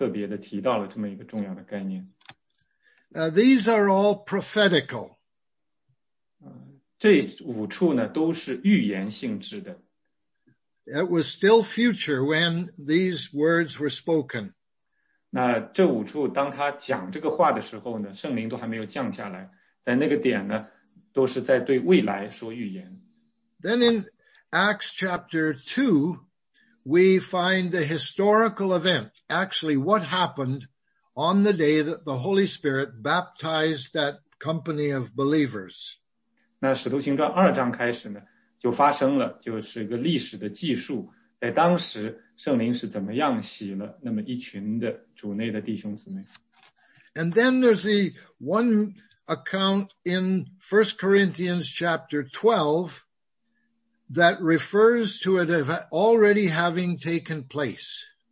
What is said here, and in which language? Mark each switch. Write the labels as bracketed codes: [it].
[zh] 还有一处就是使徒行传的一章，在主升天之前，他特别的提到了这么一个重要的概念。 [en] These are all prophetical. [zh] 这五处呢，都是预言性质的。 [en] It was still future when these words were spoken. [zh] 那这五处当他讲这个话的时候呢，圣灵都还没有降下来，在那个点呢，都是在对未来说预言。 [en] Then in Acts chapter 2, we find the historical event, actually what happened on the day that the Holy Spirit baptized that company of believers. [zh] 那使徒行传二章开始呢， 就发生了，就是个历史的记述，在当时圣灵是怎么样洗了那么一群的主内的弟兄姊妹。 [en] And then there's the one account in 1 Corinthians chapter 12 that refers to it already having taken place.